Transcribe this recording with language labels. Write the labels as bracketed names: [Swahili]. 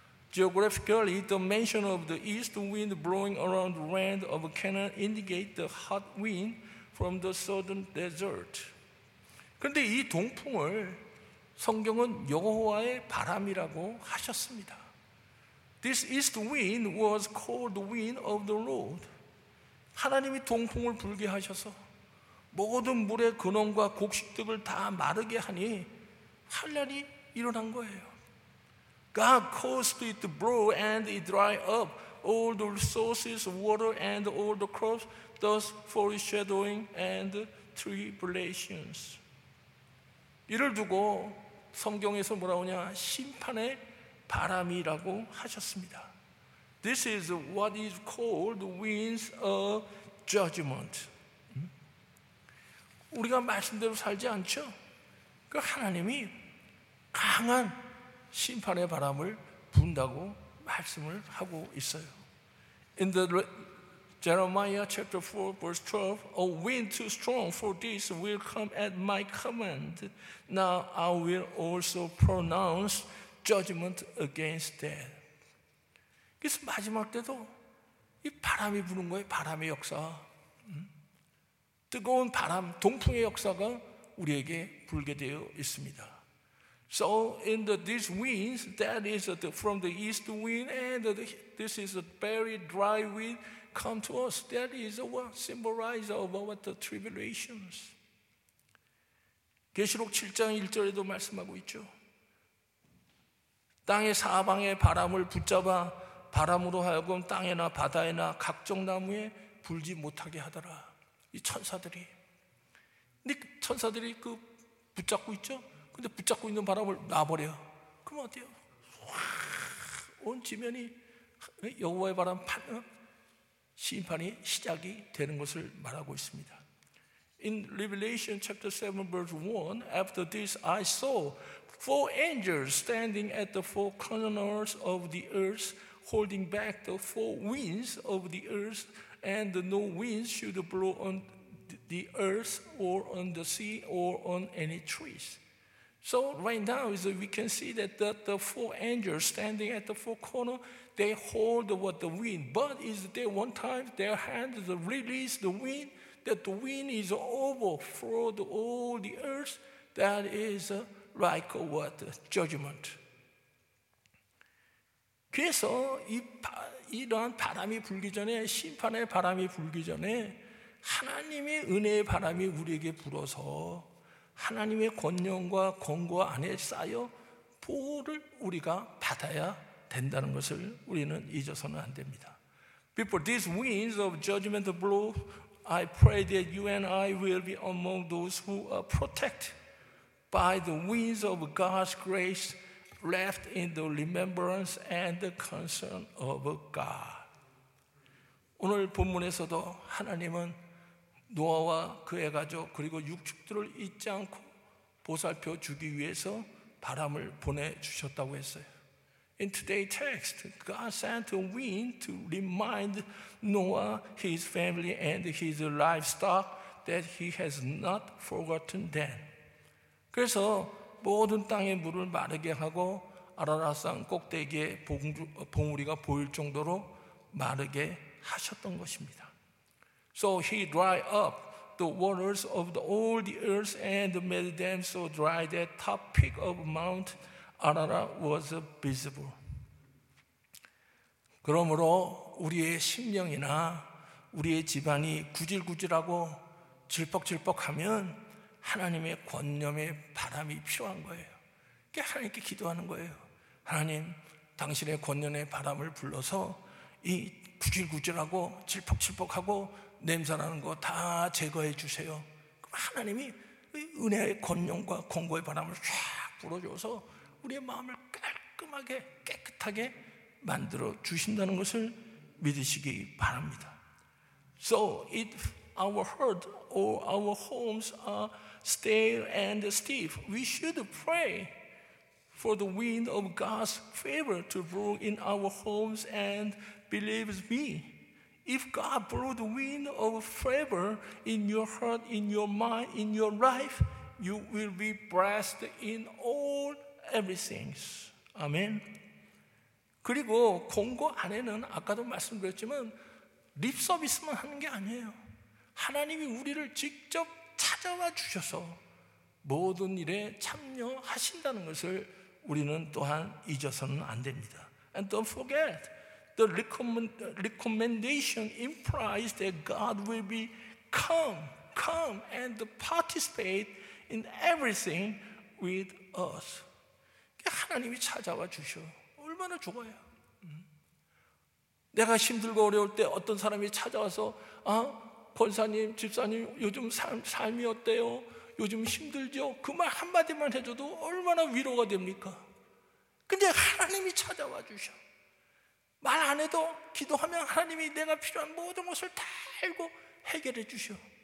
[English] Geographically, the mention of the east wind blowing around the land of Canaan indicates the hot wind from the southern desert. [Korean] 그런데 이 동풍을 성경은 여호와의 바람이라고 하셨습니다. [English] This east wind was called the wind of the Lord. [Korean] 하나님이 동풍을 불게 하셔서 모든 물의 근원과 곡식들을 다 마르게 하니 환란이 일어난 거예요. [English] God caused it to blow and it dried up all the sources of water and all the crops, thus foreshadowing and tribulations. [Korean] 이를 두고 성경에서 뭐라고 하냐? 심판의 바람이라고 하셨습니다. [English] This is what is called the winds of judgment. [Korean] 우리가 말씀대로 살지 않죠? 그 하나님이 강한 심판의 바람을 분다고 말씀을 하고 있어요. [English] In the Jeremiah chapter 4 verse 12, a wind too strong for this will come at my command. Now I will also pronounce judgment against them. [Korean] 그래서 마지막 때도 이 바람이 부는 거예요. 바람의 역사. 뜨거운 바람, 동풍의 역사가 우리에게 불게 되어 있습니다. [English] So in the these winds, that is the, from the east wind, and the, this is a very dry wind come to us. That is what symbolizes of what the tribulations. [Korean] 계시록 7장 1절에도 말씀하고 있죠. 땅의 사방에 바람을 붙잡아 바람으로 하여금 땅에나 바다에나 각종 나무에 불지 못하게 하더라. 이 천사들이. 근데 천사들이 그 붙잡고 있죠? 근데 붙잡고 있는 바람을 놔버려. 그러면 어때요? 온 지면이 여호와의 바람 심판이 시작이 되는 것을 말하고 있습니다. [English] In Revelation chapter 7 verse 1, after this I saw four angels standing at the four corners of the earth, holding back the four winds of the earth, and no wind should blow on the earth or on the sea or on any trees. So right now is we can see that the four angels standing at the four corners, they hold what the wind, but is there one time their hand release the wind, that the wind is overflow all the earth, that is like what judgment. [Korean] 그래서 이러한 바람이 불기 전에, 심판의 바람이 불기 전에 하나님의 은혜의 바람이 우리에게 불어서 하나님의 권능과 권고 안에 쌓여 보호를 우리가 받아야 된다는 것을 우리는 잊어서는 안 됩니다. [English] Before these winds of judgment blow, I pray that you and I will be among those who are protected by the winds of God's grace, left in the remembrance and the concern of God. [Korean] 오늘 본문에서도 하나님은 노아와 그의 가족 그리고 육축들을 잊지 않고 보살펴 주기 위해서 바람을 보내주셨다고 했어요. [English] In today's text, God sent a wind to remind Noah, his family, and his livestock that he has not forgotten them. [Korean] 그래서 모든 땅의 물을 마르게 하고 아라라산 꼭대기에 봉우리가 보일 정도로 마르게 하셨던 것입니다. [English] So he dried up the waters of all the earth and made them so dry that top peak of Mount Ararat was visible. [Korean] 그러므로 우리의 심령이나 우리의 집안이 구질구질하고 질퍽질퍽하면 하나님의 권념의 바람이 필요한 거예요. 그러니까 하나님께 기도하는 거예요. 하나님, 당신의 권념의 바람을 불러서 이 구질구질하고 질퍽질퍽하고 냄새나는 거 다 제거해 주세요. 그럼 하나님이 은혜의 권능과 권고의 바람을 쫙 불어줘서 우리의 마음을 깔끔하게 깨끗하게 만들어 주신다는 것을 믿으시기 바랍니다. [English] So if our heart or our homes are stale and stiff, we should pray for the wind of God's favor to blow in our homes and believe me. If God blew the wind of favor in your heart, in your mind, in your life, you will be blessed in all everything. Amen. [Korean] 그리고 공고 안에는 아까도 말씀드렸지만 립서비스만 하는 게 아니에요. 하나님이 우리를 직접 찾아와 주셔서 모든 일에 참여하신다는 것을 우리는 또한 잊어서는 안 됩니다. [English] And don't forget, the recommendation implies that God will be come and participate in everything with us. [Korean] 하나님이 찾아와 주셔. 얼마나 좋아요. 내가 힘들고 어려울 때 어떤 사람이 찾아와서 아, 권사님, 집사님, 요즘 삶이 어때요? 요즘 힘들죠? 그 말 한마디만 해줘도 얼마나 위로가 됩니까? 근데 하나님이 찾아와 주셔. 말 안 해도 기도하면 하나님이 내가 필요한 모든 것을 다 알고 해결해 주셔.